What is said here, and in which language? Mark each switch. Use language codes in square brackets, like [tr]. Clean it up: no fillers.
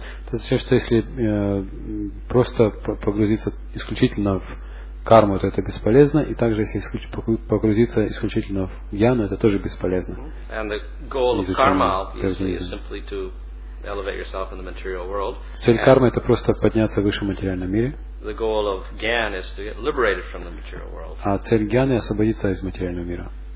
[ru] То есть, что если просто погрузиться исключительно в карму, то это бесполезно, и также если погрузиться исключительно в гьяну, это тоже бесполезно. [en] And the goal of karma is simply to elevate yourself in the material world. [ru] Цель кармы — это просто подняться выше в материальном мире. [en] The goal of gyan is to get liberated from the material world. [ru] А цель гьяны — освободиться из материального мира.